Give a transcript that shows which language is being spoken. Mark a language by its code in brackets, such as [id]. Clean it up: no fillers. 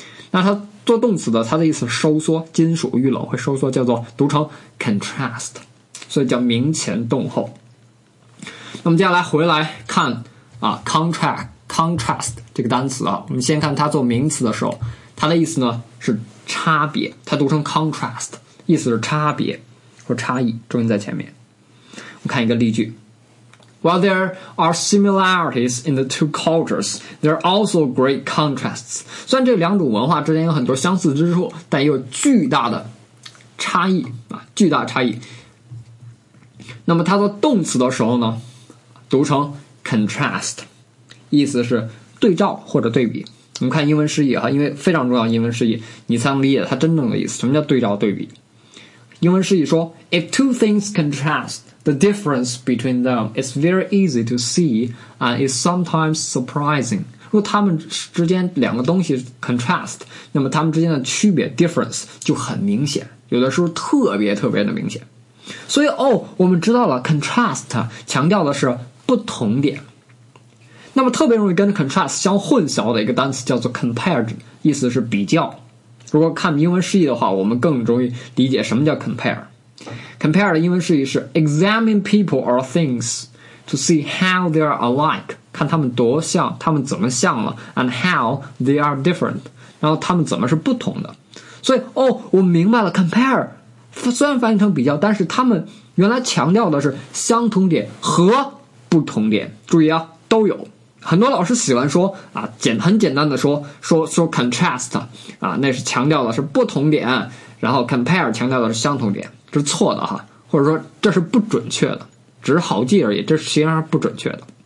[zh] 那它做动词的，它的意思收缩，金属遇冷会收缩，叫做读成 contrast， 所以叫名前动后。那么接下来回来看啊 contrast 这个单词啊，我们先看它做名词的时候，它的意思呢是差别，它读成 contrast， 意思是差别或差异，重音在前面。我看一个例句。 [en] While there are similarities in the two cultures, there are also great contrasts. [zh] 虽然这两种文化之间有很多相似之处，但也有巨大的差异啊，巨大差异。那么它做动词的时候呢，读成 contrast， 意思是对照或者对比。我们看英文释义啊，因为非常重要，英文释义你才能理解它真正的意思。什么叫对照对比？英文释义说 [en] ，If two things contrast。 The difference between them is very easy to see and is sometimes surprising. [zh] 如果他们之间两个东西 contrast， 那么他们之间的区别 difference 就很明显，有的时候特别特别的明显。所以哦，我们知道了 contrast 强调的是不同点。那么特别容易跟 contrast 相混淆的一个单词叫做 compare， 意思是比较。如果看英文释义的话，我们更容易理解什么叫 compare。 Compare 的英文释义是 [en] examine people or things to see how they are alike， [zh] 看他们多像，他们怎么像了， [en] and how they are different， [zh] 然后他们怎么是不同的。所以哦，我明白了， compare 虽然翻译成比较，但是他们原来强调的是相同点和不同点，注意啊，都有。很多老师喜欢说啊，很简单的说 contrast 啊，那是强调的是不同点，然后 compare 强调的是相同点，这是错的哈，或者说这是不准确的，只是好记而已，这实际上是不准确的。